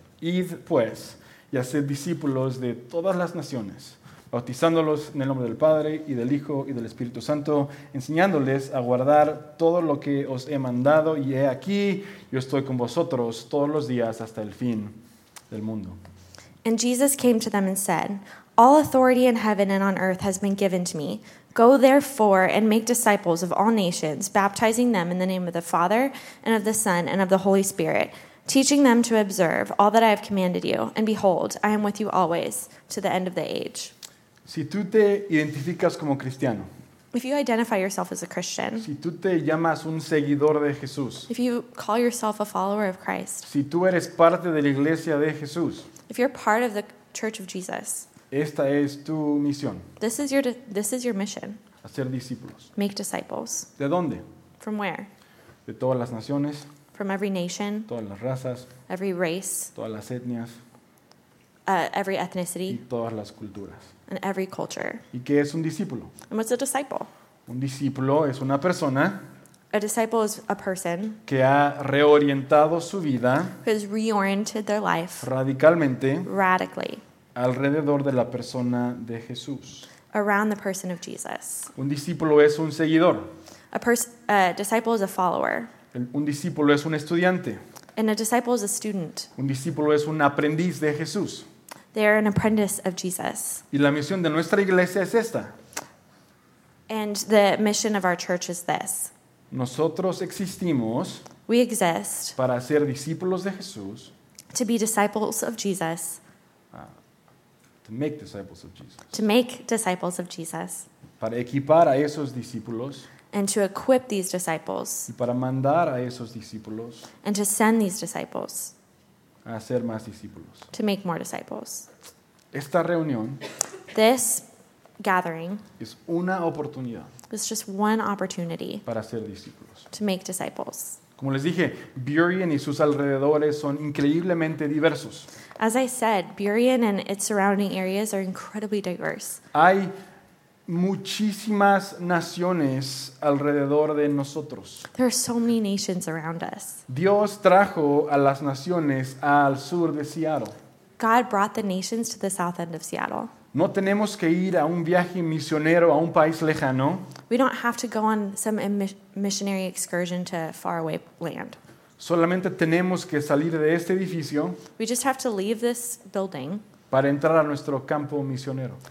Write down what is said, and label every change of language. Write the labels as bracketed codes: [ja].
[es] Id, pues, y haced discípulos de todas las naciones, bautizándolos en el nombre del Padre y del Hijo y del Espíritu Santo, enseñándoles a guardar todo lo que os he mandado, y he aquí, yo estoy con vosotros todos los días hasta el fin del mundo. [en] And Jesus came to them and said, all authority in heaven and on earth has been given to me. Go therefore and make disciples of all nations, baptizing them in the name of the Father and of the Son and of the Holy Spirit, teaching them to observe all that I have commanded you. And behold, I am with you always to the end of the age. [es] Si tú te identificas como cristiano, [en] if you identify yourself as a Christian, [es] si tú te llamas un seguidor de Jesús, [en] if you call yourself a follower of Christ, [es] si tú eres parte de la iglesia de Jesús, [en] if you're part of the Church of Jesus, [es] esta es tu misión. [en] This is your mission. [es] Hacer discípulos. [en] Make disciples. [es] ¿De dónde? [en] From where? [es] De todas las naciones. [en] From every nation. [es] Todas las razas. [en] Every race. [es] Todas las etnias. [en] Every ethnicity. [es] Y todas las culturas. [en] And every culture. [es] ¿Y qué es un discípulo? [en] And what's a disciple? [es] Un discípulo es una persona. [en] A disciple is a person. [es] Que ha reorientado su vida. [en] Who has reoriented their life. [es] Radicalmente. [en] Radically. [es] Alrededor de la persona de Jesús. [en] Around the person of Jesus. [es] Un discípulo es un seguidor. [en] A disciple is a follower. [es] Un discípulo es un estudiante. [en] And a disciple is a student. [es] Un discípulo es un aprendiz de Jesús. [en] They are an apprentice of Jesus. [es] Y la misión de nuestra iglesia es esta. [en] And the mission of our church is this. [es] Nosotros existimos. [en] We exist. [es] Para ser discípulos de Jesús. [en] To be disciples of Jesus. To make disciples of Jesus. To make disciples of Jesus. [es] para equipar a esos discípulos, [en] and to equip these disciples, [es] y para mandar a esos discípulos, [en] and to send these disciples, [es] a hacer más discípulos, [en] to make more disciples. [es] Esta reunión, [en] this gathering, [es] es una oportunidad, [en] is just one opportunity, [es] para hacer discípulos, [en] to make disciples. [es] Como les dije, Burien y sus alrededores son increíblemente diversos. [en] As I said, Burien and its surrounding areas are incredibly diverse. [es] Hay muchísimas naciones alrededor de nosotros. [en] There are so many nations around us. [es] Dios trajo a las naciones al sur de Seattle. [en] God brought the nations to the south end of Seattle. [es] No tenemos que ir a un viaje misionero a un país lejano. [en] We don't have to go on some missionary excursion to faraway land. [es] Solamente tenemos que salir de este edificio. [en] We just have to leave this building. [es] Para entrar a nuestro campo misionero.